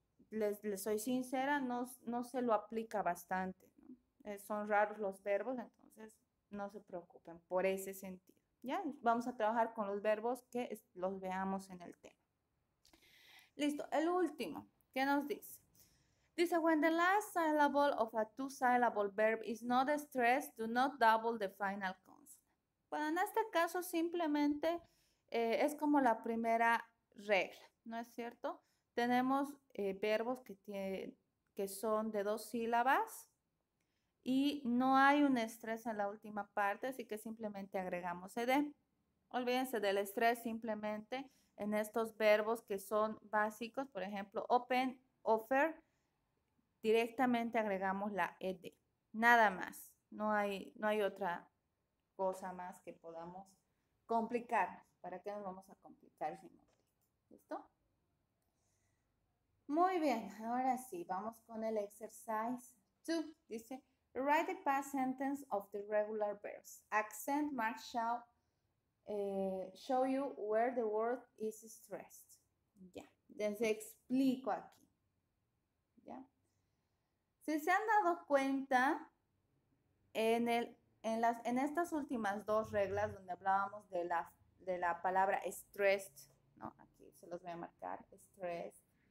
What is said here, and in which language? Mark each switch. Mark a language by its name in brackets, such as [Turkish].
[Spanish] Les soy sincera, no se lo aplica bastante, ¿no? Son raros los verbos, entonces no se preocupen por ese sentido, ¿ya? Vamos a trabajar con los verbos que los veamos en el tema. Listo, el último, ¿qué nos dice? Dice, [English] when the last syllable of a two-syllable verb is not stressed, do not double the final consonant. [Spanish] Bueno, en este caso simplemente es como la primera regla, ¿no es cierto? Tenemos verbos que son de dos sílabas y no hay un estrés en la última parte, así que simplemente agregamos ed. Olvídense del estrés simplemente en estos verbos que son básicos, por ejemplo, open, offer, directamente agregamos la ED, nada más. No hay otra cosa más que podamos complicarnos. ¿Para qué nos vamos a complicar si no? ¿Listo? Muy bien, ahora sí, vamos con el exercise 2. Dice, [English] write the past sentence of the regular verbs. Accent marks shall show you where the word is stressed. [Spanish] Ya, les explico aquí. Si se han dado cuenta, en estas últimas dos reglas donde hablábamos de la palabra stressed, ¿no? Aquí se los voy a marcar, stressed.